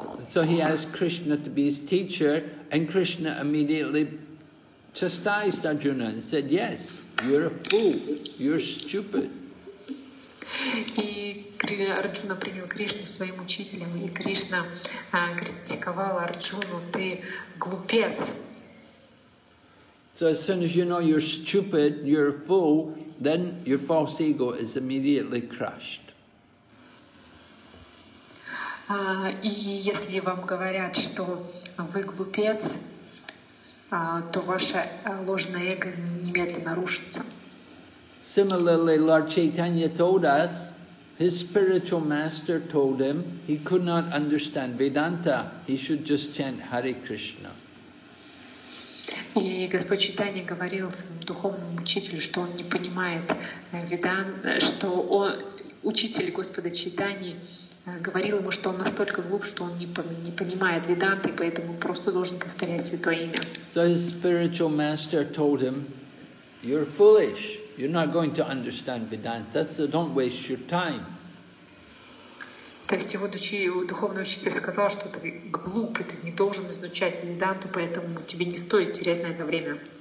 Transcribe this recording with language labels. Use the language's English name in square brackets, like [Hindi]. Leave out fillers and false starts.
[English] So he asked Krishna to be his teacher, and Krishna immediately chastised Arjuna and said, "Yes. You're a fool. You're stupid." [Russian] И Арджуна принял Кришну своим учителем, и Кришна критиковал Арджуну: "Ты глупец." [English] So as soon as you know you're stupid, you're a fool, then your false ego is immediately crushed. [Russian] И если вам говорят, что вы глупец, то ваше ложное эго немедленно рушится. [English] Similarly, Lord Chaitanya told us, his spiritual master told him he could not understand Vedanta, he should just chant Hare Krishna. [Russian] И Господь Чайтанья говорил своему духовному учителю, что он не понимает Веданту, что он, учитель Господа Чайтаньи говорил ему, что он настолько глуп, что он не понимает Веданты, поэтому просто должен повторять Святое Имя. [English] So his spiritual master told him, "You're foolish. You're not going to understand Vedanta, so don't waste your time." [Russian] То есть его духовный учитель сказал, что ты глуп, ты не должен изучать Веданту, поэтому тебе не стоит терять на это время.